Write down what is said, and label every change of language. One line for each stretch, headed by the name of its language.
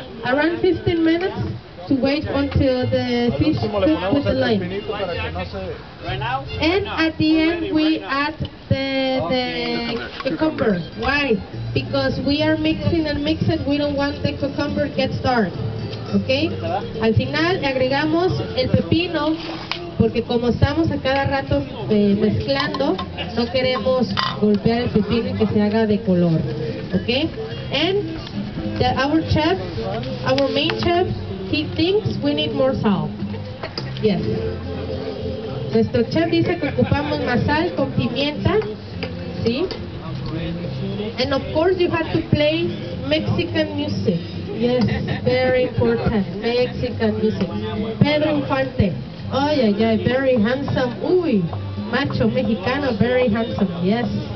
English: Around 15 minutes to wait until the fish cooks with the lime. And at the end we add the cucumber. Why? Because we are mixing and mixing, we don't want the cucumber to get dark. Okay?
Spanish: Al final agregamos el pepino, porque como estamos a cada rato mezclando, no queremos golpear el pepino y que se haga de color.
English: Okay? And our main chef, he thinks we need more salt. Yes.
Spanish: Nuestro chef dice que ocupamos más sal con pimienta. ¿Sí?
English: And of course you have to play Mexican music. Yes, very important. Mexican music. Pedro Infante. Oh, yeah, yeah, very handsome.
Spanish: Uy, macho mexicano,
English: very handsome. Yes.